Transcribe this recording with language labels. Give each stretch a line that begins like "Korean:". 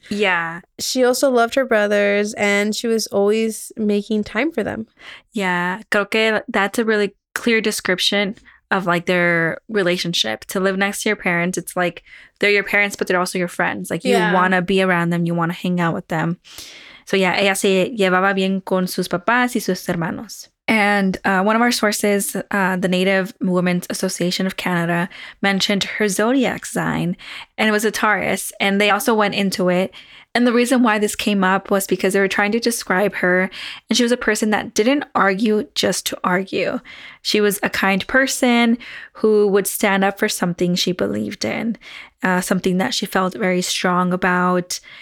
English: Yeah. She also loved her brothers and she was always making time for them. Yeah. Creo que that's a really clear description of like their relationship. To live next to your parents, it's like they're your parents, but they're also your friends. Like you want to be around them. You want to hang out with them. So yeah,
Spanish: ella se llevaba bien con sus papás y sus hermanos.
English: And one of our sources, the Native Women's Association of Canada, mentioned her zodiac sign, and it was a Taurus. And they also went into it. And the reason why this came up was because they were trying to describe her. And she was a person that didn't argue just to argue. She was a kind person who would stand up for something she believed in, something that she felt very strong about.